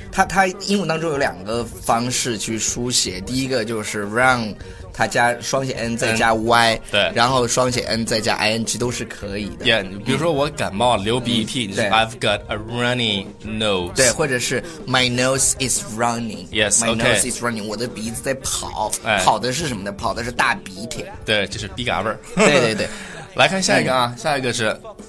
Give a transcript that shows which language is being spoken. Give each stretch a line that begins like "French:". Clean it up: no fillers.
Chinese: 它英文当中有两个方式去书写，第一个就是 run， 它加双写 n 再加 y，对，然后双写 n 再加 ing 都是可以的。
English: Yeah,
Chinese: 比如说我感冒流鼻涕，对
English: ，I've got a runny nose.
Chinese: 对，或者是
English: my nose is running. Yes, my nose is running.
Chinese: 我的鼻子在跑，跑的是什么呢？跑的是大鼻涕。对，就是鼻嘎味儿。对对对。来看下一个啊，下一个是